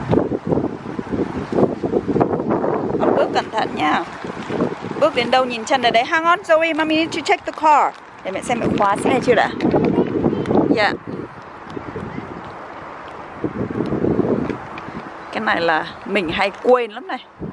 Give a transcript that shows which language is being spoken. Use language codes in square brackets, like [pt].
[vi] Yay! Con bước cẩn thận nha. Bước đến đâu nhìn chân ở đấy. [en] Hang on, Zoe, mommy need to check the car. [vi] Để mẹ xem mẹ khóa xe chưa đã. Yeah. Cái này là mình hay quên lắm này.